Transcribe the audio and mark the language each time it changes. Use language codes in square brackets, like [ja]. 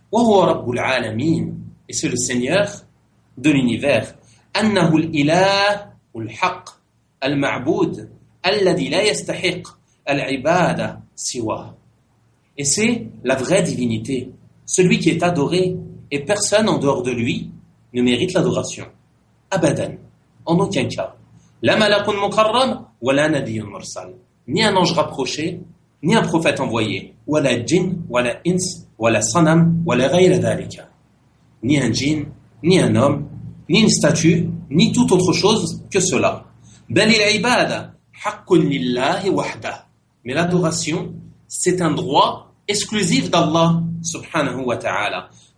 [ar] وهو رب العالمين, [fr] et c'est le Seigneur de l'univers. [ar] أنه الإله الحق المعبود الذي لا يستحق العبادة سواه. [fr] Et c'est la vraie divinité, celui qui est adoré, et personne en dehors de lui ne mérite l'adoration. [ar] Abadan, [fr] en aucun cas. [ar] لا ملك مكرم ولا نبي مرسل. [fr] Ni un ange rapproché, ni un prophète envoyé. [ar] ولا جن ولا إنس ولا صنم ولا غير ذلك. [fr] Ni un djinn, ni un homme, ni une statue, ni toute autre chose que cela. Mais l'adoration, c'est un droit exclusif d'Allah, subhanahu wa ta'ala.